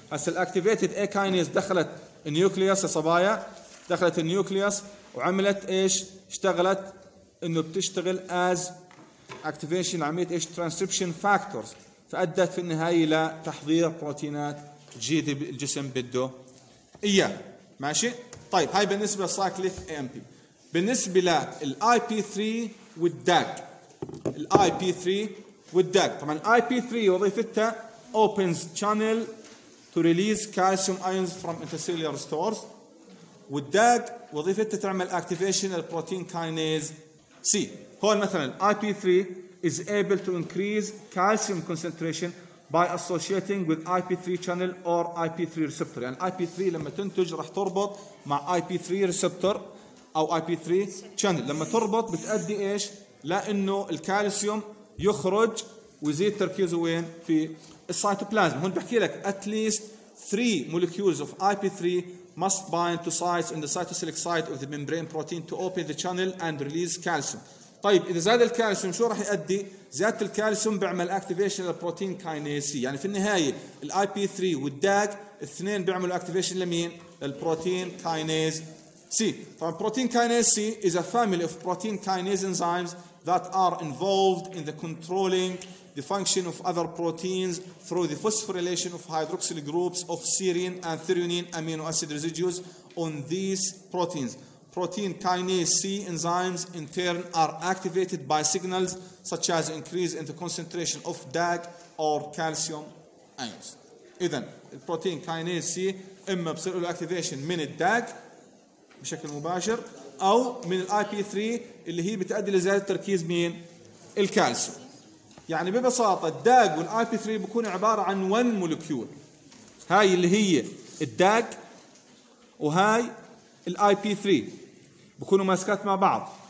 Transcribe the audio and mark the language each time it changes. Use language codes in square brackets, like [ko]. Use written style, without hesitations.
[ar] هسه الاكتيفيتد اي كاينيز دخلت النيوكليوس يا صبايا، دخلت النيوكليوس وعملت ايش؟ اشتغلت انه بتشتغل از اكتيفيشن عملية ايش؟ ترانسكريبشن فاكتورز، فادت في النهايه لتحضير بروتينات جي الجسم بده اياه ماشي. طيب هاي بالنسبه للسايكليك اي ام بي. بالنسبه للاي بي 3 والداك، الاي بي 3 والدق طبعا IP3 وظيفتها [en] opens channel to release calcium ions from intracellular stores، [ar] والدق وظيفتها تعمل [en] activation of protein kinase C. [ar] هون مثلا [en] IP3 is able to increase calcium concentration by associating with IP3 channel or IP3 receptor. [ar] يعني IP3 لما تنتج راح تربط مع IP3 receptor أو IP3 channel، لما تربط بتأدي إيش؟ لأنه الكالسيوم يخرج ويزيد تركيزه وين؟ في السيتوبلازم. هون بحكي لك [en] at least 3 molecules of IP3 must bind to sites in the cytosolic site of the membrane protein to open the channel and release calcium. [ar] طيب إذا زاد الكالسيوم شو راح يؤدي؟ زيادة الكالسيوم بعمل activation للبروتين كاينيسي. يعني في النهاية الIP3 والDAG الاثنين بعملوا activation لمين؟ للبروتين كاينيز سي. طبعا بروتين كاينيز سي [en] is a family of protein kinase enzymes that are involved in the controlling the function of other proteins through the phosphorylation of hydroxyl groups of serine and threonine amino acid residues on these proteins. Protein kinase C enzymes in turn are activated by signals such as increase in the concentration of DAG or calcium ions. [ar] إذن protein kinase C إما بصير له activation من الDAG بشكل مباشر أو من الIP3 اللي هي بتأدي لزيادة التركيز من الكالسيوم. يعني ببساطة الداج والIP3 بكون عبارة عن ون مولكيول، هاي اللي هي الداج وهاي الIP3 بكونوا ماسكات مع بعض.